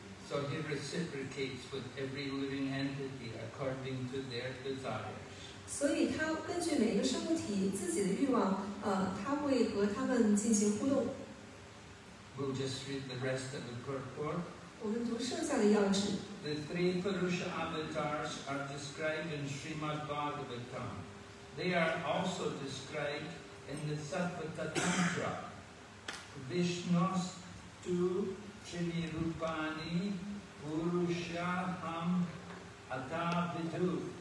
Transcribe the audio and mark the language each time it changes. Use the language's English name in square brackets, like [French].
[English] So he reciprocates with every living entity according to their desires. [Chinese] 所以他根据每个生物体自己的欲望, 他会和他们进行互动。 [English] We'll just read the rest of the purport. [Chinese] 我们读剩下的要旨。 [English] The three Purusha avatars are described in Srimad Bhagavatam. They are also described in the Satvata Tantra. [Sanskrit] Vishnus tu Trinirupani Purusha Ham Atavidhu.